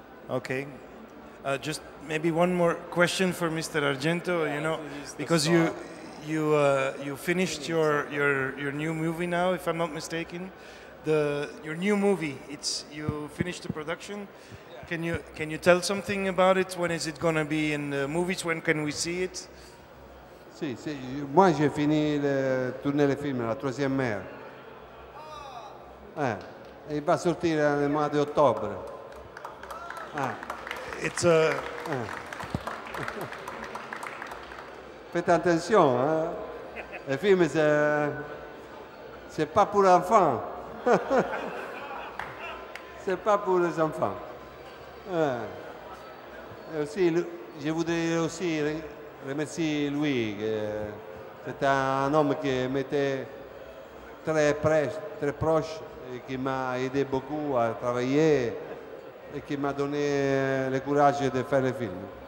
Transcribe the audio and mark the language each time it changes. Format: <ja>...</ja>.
<en>Okay, just maybe one more question for Mr. Argento. Yeah, you know, because star. you finished your new movie now, if I'm not mistaken, your new movie. It's you finished the production. Yeah. Can you tell something about it? When is it gonna be in the movies? When can we see it?</en> <fr>Si, moi j'ai fini le tourner le film la troisième mère. Il va sortir le mois de octobre.</fr> <en>It's a.</en> <fr>Faites attention, hein? Le film, c'est pas pour enfants. C'est pas pour les enfants. Et aussi, je voudrais aussi remercier Louis. C'est un homme qui m'était très proche et qui m'a aidé beaucoup à travailler.</fr> <it>E che mi ha dato il coraggio di fare il film.</it>